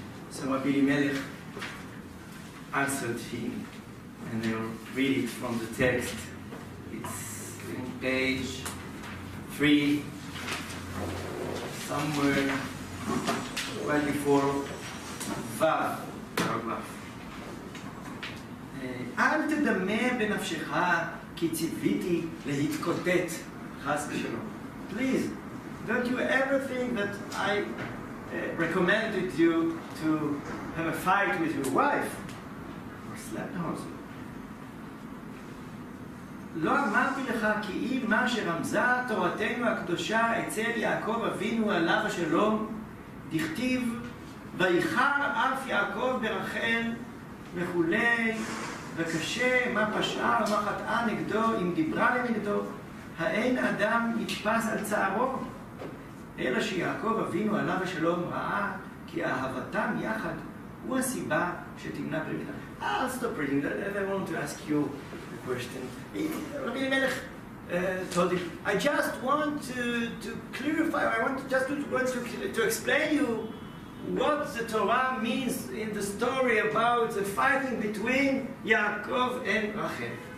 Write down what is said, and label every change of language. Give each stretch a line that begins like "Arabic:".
English: So Rabbi Elimelech answered him, and I'll read it from the text. It's in page 3, somewhere right before Vav, paragraph.
Hebrew: אל תדמה בנפשך כי ציוויתי להתקוטט, חס ושלום.
English: Please, don't you ever think that I recommended you to have a fight with your wife or slap her.
Hebrew: לא אמרתי לך כי אם מה שרמזה תורתנו הקדושה אצל יעקב אבינו עליו השלום דכתיב ויחר אף יעקב ברחל וכולי וקשה מה פשעה ומה חטאה נגדו אם דיברה לנגדו האין אדם נתפס על צערו אלא שיעקב אבינו עליו השלום ראה כי אהבתם יחד הוא הסיבה שתמנע פרידה.
English: I'll stop reading that. I want to ask you a question. Rabbi Elimelech told him, I just want to clarify, I want to explain you what the Torah means in the story about the fighting between Yaakov and Rachel.